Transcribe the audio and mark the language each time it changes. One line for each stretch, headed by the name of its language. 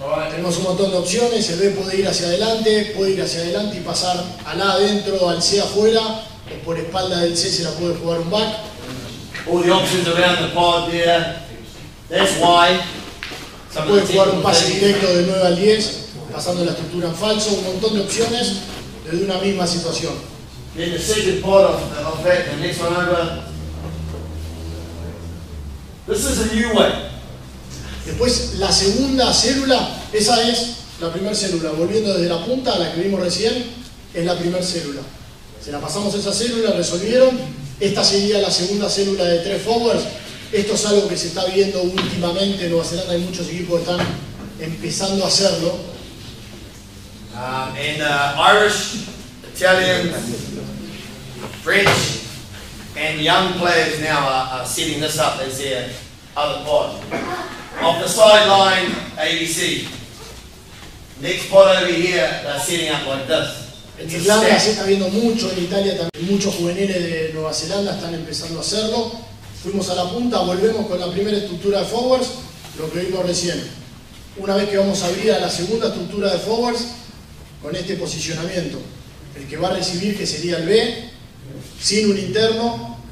Spanish: Tenemos un montón de opciones, el B puede ir hacia adelante y pasar al A adentro, al C afuera, o por espalda del C se la puede jugar un back.
English: All the options around the pod there. That's why.
Spanish: Se puede jugar un pase directo de 9 al 10, pasando la estructura en falso, un montón de opciones desde una misma situación.
English: Then the second part of that, the next one over. This is a new way.
Spanish: Después, la segunda célula, esa es la primera célula. Volviendo desde la punta, la que vimos recién, es la primera célula. Se la pasamos a esa célula, resolvieron. Esta sería la segunda célula de 3 forwards. Esto es algo que se está viendo últimamente en Nueva Zelanda, hay muchos equipos que están empezando a hacerlo.
English: And Irish, Italian, French, and young players now are setting this up as their other pod. Off the sideline, ABC. Next pod over here, they're setting up like this.
Spanish: En Irlanda se está viendo mucho, en Italia también muchos juveniles de Nueva Zelanda están empezando a hacerlo. Fuimos a la punta, volvemos con la primera estructura de forwards, lo que vimos recién. Una vez que vamos a abrir a la segunda estructura de forwards, con este posicionamiento. El que va a recibir, que sería el B, sin un interno,